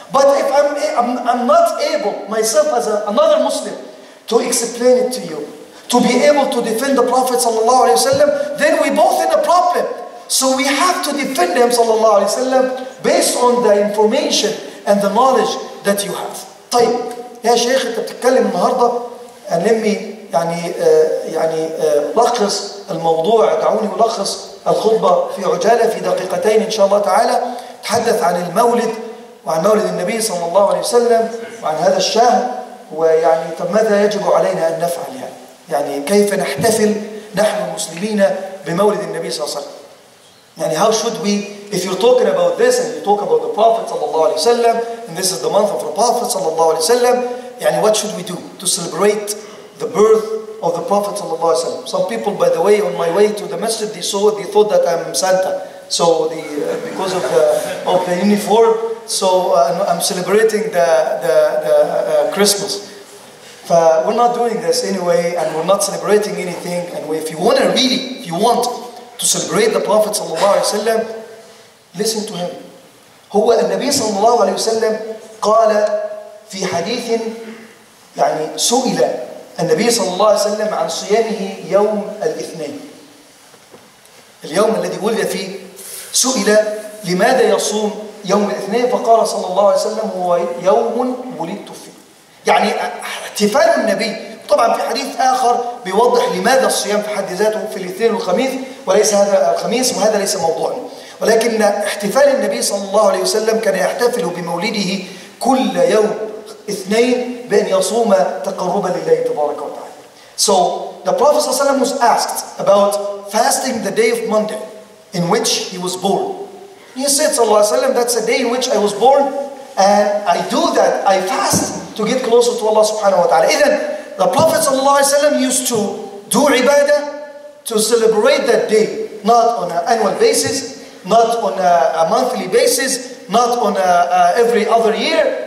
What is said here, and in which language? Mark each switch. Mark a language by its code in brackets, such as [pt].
[en] But if I'm not able myself as another Muslim to explain it to you, to be able to defend the Prophet ﷺ, then we both in a problem. So we have to defend him ﷺ based on the information and the knowledge that you have. [ar] طيب يا شيخ انت بتتكلم النهارده علمني يعني لخص الموضوع دعوني ألخص الخطبه في عجاله في دقيقتين ان شاء الله تعالى تحدث عن المولد وعن مولد النبي صلى الله عليه وسلم وعن هذا الشهر ويعني طب ماذا يجب علينا ان نفعل يعني كيف نحتفل نحن المسلمين بمولد النبي صلى الله عليه وسلم [en] يعني how should we, if you're talking about this and you talk about the Prophet صلى الله عليه وسلم and this is the month of the Prophet صلى الله عليه وسلم يعني what should we do to celebrate the birth of the Prophet صلى الله عليه وسلم. Some people, by the way, on my way to the masjid, they saw, they thought that I'm Santa. So the because of the uniform, so I'm celebrating the Christmas. We're not doing this anyway and we're not celebrating anything. And if you want to really, if you want to celebrate the Prophet صلى الله عليه وسلم, listen to him. [ar] هو النبي صلى الله عليه وسلم قال في حديث يعني سئل النبي صلى الله عليه وسلم عن صيامه يوم الاثنين. اليوم الذي ولد فيه سئل لماذا يصوم يوم الاثنين فقال صلى الله عليه وسلم هو يوم ولدت فيه. يعني احتفال النبي طبعا في حديث آخر بيوضح لماذا الصيام في حد ذاته في الاثنين والخميس وليس هذا الخميس وهذا ليس موضوعنا ولكن احتفال النبي صلى الله عليه وسلم كان يحتفل بمولده كل يوم اثنين بأن يصوم تقربا لله تبارك وتعالى. [en] So the Prophet صلى الله عليه وسلم was asked about fasting the day of Monday in which he was born. He said صلى الله عليه وسلم that's the day in which I was born and I do that, I fast to get closer to Allah subhanahu wa ta'ala. إذن the Prophet صلى الله عليه وسلم used to do ibadah to celebrate that day, not on an annual basis, not on a monthly basis, not on every other year.